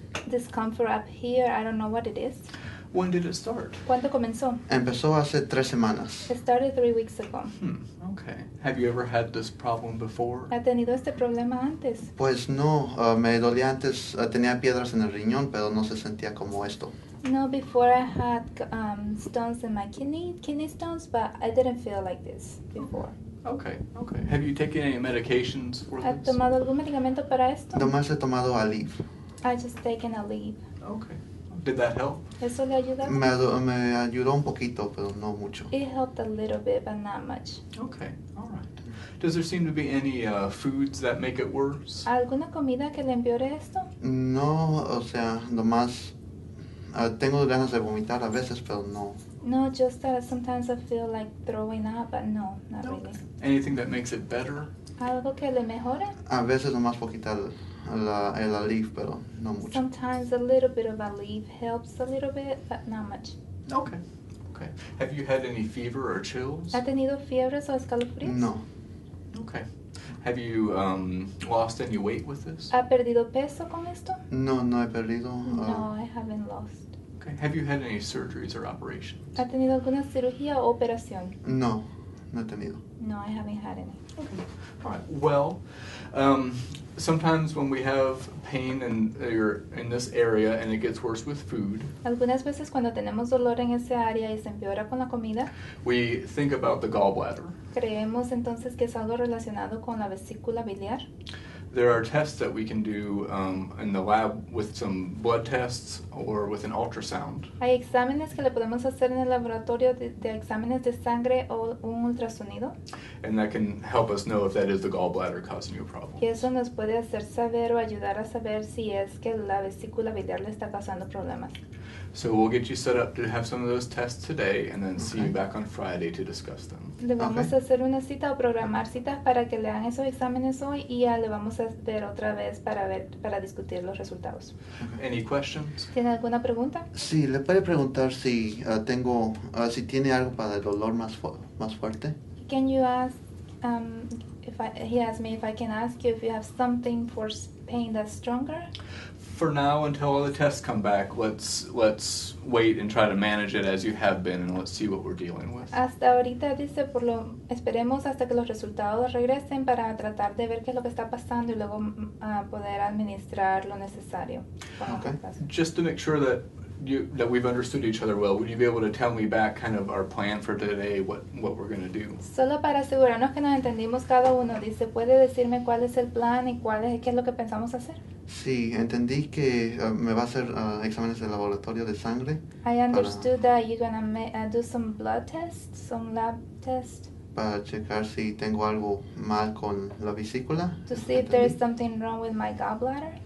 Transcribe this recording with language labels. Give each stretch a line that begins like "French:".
English: Discomfort up here. I don't know what it is. When did it start?
Spanish: ¿Cuándo comenzó? Empezó hace 3 semanas.
English: It started 3 weeks ago. Okay. Have you ever had this problem before?
Spanish: ¿Ha tenido este problema antes? Pues no. Me dolía antes. Tenía piedras en el riñón, pero no se sentía como esto.
English: No, before I had stones in my kidney stones, but I didn't feel like this before. Okay. Have you taken any medications for
Spanish: ¿Ha
English: this?
Spanish: ¿Tomado algún medicamento para esto? Nomás he tomado Aleve.
English: I just taken Aleve. Okay. Did that help?
Spanish: ¿Eso le ayudó? Me ayudó un poquito, pero no mucho.
English: It helped a little bit, but not much. Okay, all right. Does there seem to be any foods that make it worse?
Spanish: ¿Alguna comida que le empeore esto? No, o sea, nomás tengo ganas de vomitar a veces, pero no.
English: No, just that sometimes I feel like throwing up, but no, not really. Anything that makes it better?
Spanish: ¿Algo que le mejore? A veces nomás poquita el Aleve, pero no mucho.
English: Sometimes a little bit of Aleve helps a little bit, but not much. Okay. Have you had any fever or chills?
Spanish: ¿Ha tenido fiebres o escalofríos? No.
English: Okay. Have you lost any weight with this?
Spanish: ¿Ha perdido peso con esto? No he perdido.
English: No, I haven't lost. Okay. Have you had any surgeries or operations?
Spanish: ¿Ha tenido alguna cirugía o operación? No, no he tenido.
English: No, I haven't had any. Okay. All right. Well, sometimes when we have pain and you're in this area and it gets worse with food.
Spanish: Algunas veces cuando tenemos dolor en esa área y se empeora con la comida.
English: We think about the gallbladder.
Spanish: Creemos entonces que es algo relacionado con la vesícula biliar.
English: There are tests that we can do in the lab with some blood tests or with an ultrasound.
Spanish: Hay exámenes que le podemos hacer en el laboratorio de exámenes de sangre o un ultrasonido.
English: And that can help us know if that is the gallbladder causing you a problem.
Spanish: Y eso nos puede hacer saber o ayudar a saber si es que la vesícula biliar le está causando problemas.
English: So we'll get you set up to have some of those tests today and then see you back on Friday to discuss them.
Spanish: Le vamos a hacer una cita o programar citas para que le hagan esos exámenes hoy y ya le vamos a ver otra vez para discutir los resultados.
English: Okay. Any questions?
Spanish: ¿Tiene alguna pregunta? Sí, le puede preguntar si si tiene algo para el dolor más fuerte.
English: Can you ask if I can ask you if you have something for pain that's stronger? For now, until all the tests come back, let's wait and try to manage it as you have been, and let's see what we're dealing with.
Spanish: Hasta ahorita dice por lo esperemos hasta que los resultados regresen para tratar de ver qué es lo que está pasando y luego poder administrar lo necesario.
English: Okay. Just to make sure that we've understood each other well, would you be able to tell me back kind of our plan for today, what we're going to do?
Spanish: Solo para asegurarnos que nos entendimos cada uno, dice, ¿puede decirme cuál es el plan y qué es lo que pensamos hacer? Sí, entendí que me va a hacer exámenes de laboratorio de sangre.
English: I understood that you're going to do some blood tests, some lab tests.
Spanish: Para checar si tengo algo mal con la vesícula.
English: To see if there is something wrong with my gallbladder.